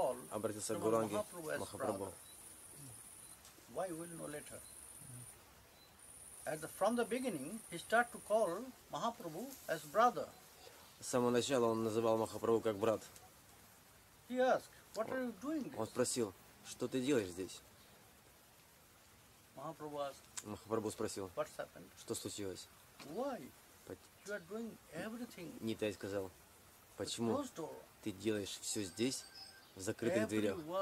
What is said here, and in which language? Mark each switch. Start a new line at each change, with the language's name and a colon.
Russian: Обратился к Гуру Анге Махапрабху.
English: Why we will know later. From the beginning he started to call Mahaprabhu as brother.
Russian: С самого начала он называл Махапрабху как брат.
English: He asked, "What are you doing?"
Russian: Он спросил, что ты делаешь здесь?
English: Mahaprabhu asked.
Russian: Махапрабху спросил.
English: What's happened?
Russian: Что случилось?
English: Why? You are doing everything.
Russian: Нитай сказал, почему ты делаешь все здесь? В закрытых дверях.